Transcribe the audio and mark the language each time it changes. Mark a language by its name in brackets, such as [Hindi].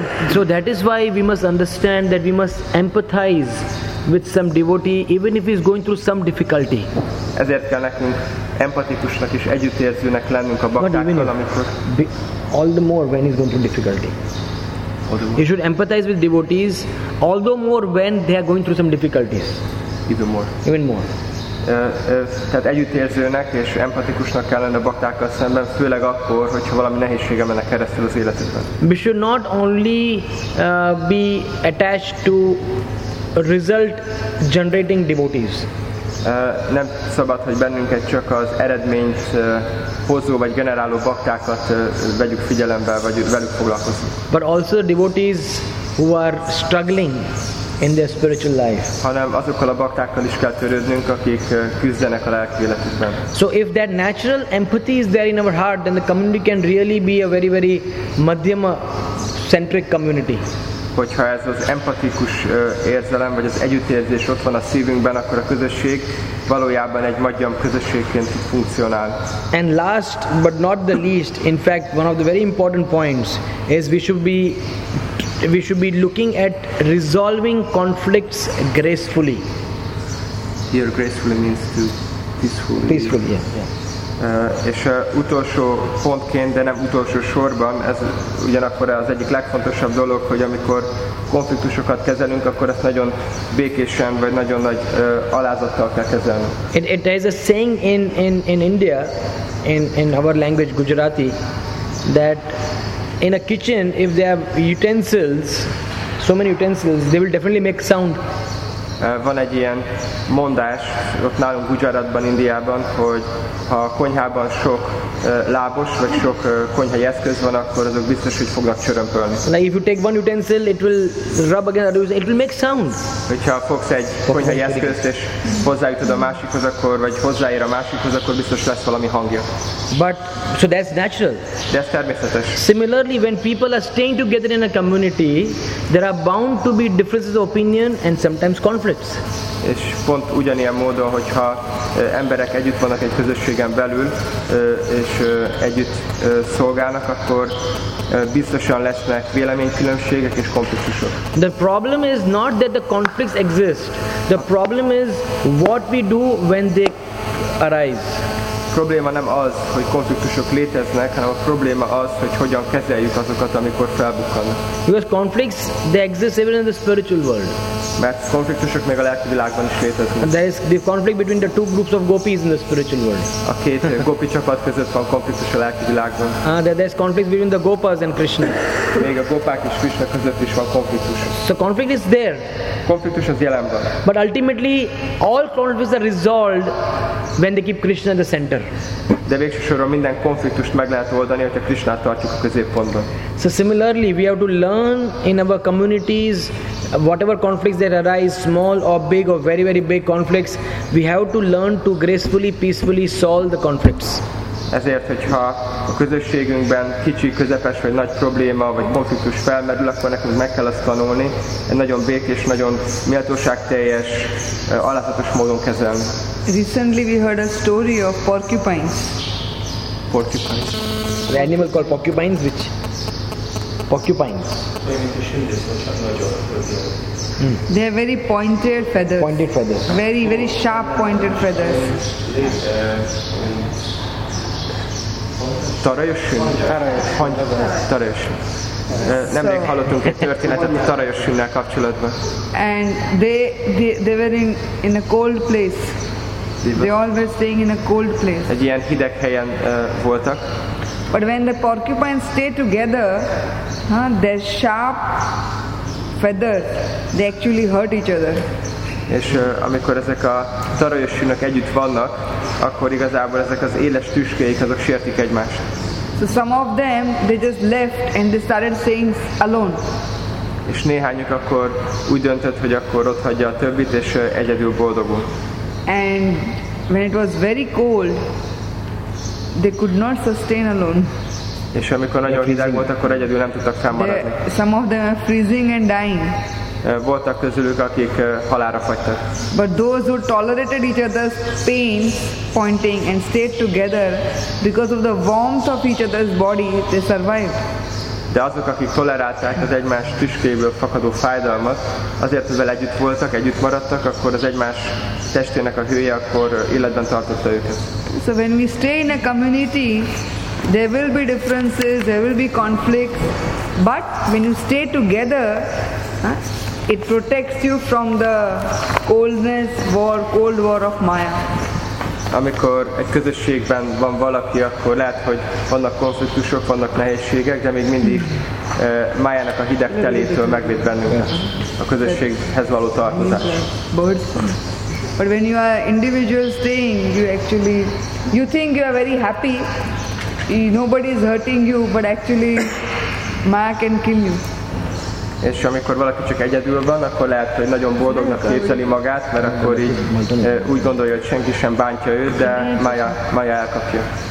[English] So that is why we must understand that we must empathize with some devotee, even if he is going through some difficulty. [Hungarian] Ezért kell nekünk empatikusnak és együttérzőnek lennünk a baktákkal, amikor... [English] All the more when he is going through difficulty. You should empathize with devotees, although more when they are going through some difficulties. Even more. [Hungarian] Tehát együttérzőnek és empatikusnak kell lenni a baktákkal szemben, főleg akkor, hogyha valami nehézsége mennek keresztül az életükben. [English] We should not only be attached to result-generating devotees. [Hungarian] Nem szabad, hogy bennünket csak az eredményt hozó vagy generáló baktákat vegyük figyelembe, vagy velük foglalkozunk. [English] But also devotees who are struggling in their spiritual life. [Hungarian] Hanem azokkal a baktákkal is kell törődnünk, akik küzdenek a lelki életükben. [English] So if that natural empathy is there in our heart, then the community can really be a very, very madhyama-centric community. [Hungarian] Hogyha ez az empatikus érzelem, vagy az együttérzés ott van a szívünkben, akkor a közösség valójában egy madhyam közösségként funkcionál. [English] And last but not the least, in fact one of the very important points is we should be looking at resolving conflicts gracefully. Here gracefully means to peacefully. [Hungarian] És utolsó pontként, de nem utolsó sorban, ez ugyanakkor az egyik legfontosabb dolog, hogy amikor konfliktusokat kezelünk, akkor ezt nagyon békésen vagy nagyon nagy alázattal kell kezelni. [English] It is a saying in India, in our language Gujarati, that in a kitchen if they have utensils, so many utensils, they will definitely make sound. [Hungarian] Van egy ilyen mondás ott nálunk Gujaratban, Indiában, hogy ha a konyhában sok lábos vagy sok konyhai eszköz van, akkor azok biztos, hogy fognak csörömpölni. [English] Like if you take one utensil, it will rub against another, it will make sound. [Hungarian] Hogyha fogsz egy konyhai eszközt és hozzájutod a másikhoz, akkor vagy hozzáér a másikhoz, akkor biztos lesz valami hangja. [English] But so that's natural. [Hungarian] De ez természetes. [English] Similarly, when people are staying together in a community, there are bound to be differences of opinion and sometimes conflicts. [Hungarian] És pont ugyanilyen módon, hogyha emberek együtt vannak egy közösségen belül, és együtt szolgálnak, akkor biztosan lesznek véleménykülönbségek és konfliktusok. [English] The problem is not that the conflicts exist. The problem is what we do when they arise. [Hungarian] A probléma nem az, hogy konfliktusok léteznek, hanem a probléma az, hogy hogyan kezeljük azokat, amikor felbukkannak. [English] Because conflicts, they exist even in the spiritual world. [Hungarian] Mert konfliktusok még a lelki világban is léteznek. [English] And there is the conflict between the two groups of gopis in the spiritual world. [Hungarian] A két gopi csapat között van konfliktus a lelki világban. [English] There is conflict between the gopas and Krishna. [Hungarian] Még a gopák és Krishna között is van konfliktus. [English] So conflict is there. [Hungarian] Konfliktus az jelen van. [English] But ultimately, all conflicts are resolved when they keep Krishna at the center. [Hungarian] De végsősorban minden konfliktust meg lehet oldani, hogyha Krishnát tartjuk a középpontban. [English] So similarly, we have to learn in our communities, whatever conflicts that arise, small or big or very, very big conflicts, we have to learn to gracefully, peacefully solve the conflicts. [Hungarian] Ezért, hogyha a közösségünkben kicsi, közepes vagy nagy probléma vagy konfliktus felmerül, akkor nekünk meg kell azt tanulni, egy nagyon békés, nagyon méltóságteljes, alázatos módon kezelni. [English] Recently we heard a story of porcupines. Porcupines. The animal called porcupines, which? Porcupines. They have very pointed feathers. Pointed feathers. Very, very sharp pointed feathers. [Hungarian] Tarajosin. Nemrég hallottunk egy történetet a Tarajosinnel kapcsolatban. [English] And they were in a cold place. They all were staying in a cold place. [Hungarian] Egy ilyen hideg helyen voltak. [English] But when the porcupines stay together, their sharp feathers, they actually hurt each other. [Hungarian] És amikor ezek a tarajosinak együtt vannak, akkor igazából ezek az éles tüskéik, azok sértik egymást. [English] So some of them, they just left and they started staying alone. [Hungarian] És néhányuk akkor úgy döntött, hogy akkor ott hagyja a többit, és egyedül boldogul. [English] And when it was very cold, they could not sustain alone. [Hungarian] És amikor nagyon hideg volt, akkor egyedül nem tudtak fennmaradni. [English] Some of them are freezing and dying. [Hungarian] voltak közülük, akik halálra fagytak. [English] But those who tolerated each other's pains, pointing and stayed together because of the warmth of each other's body, they survived. [Hungarian] De azok, akik tolerálták az egymás tüskéből fakadó fájdalmat, azért, hogy együtt voltak, együtt maradtak, akkor az egymás testének a hője akkor életben tartotta őket. [English] So when we stay in a community, there will be differences, there will be conflicts, but when you stay together, it protects you from the coldness, war, cold war of Maya. [Hungarian] Amikor egy közösségben van valaki, akkor lehet, hogy vannak konfliktusok, vannak nehézségek, de még mindig Mayának a hideg telétől megvéd bennünket a közösséghez való tartozás. [English] But when you are individual staying, you actually, you think you are very happy, nobody is hurting you, but actually Maya can kill you. [Hungarian] És amikor valaki csak egyedül van, akkor lehet, hogy nagyon boldognak képzeli magát, mert akkor így úgy gondolja, hogy senki sem bántja őt, de Maya elkapja.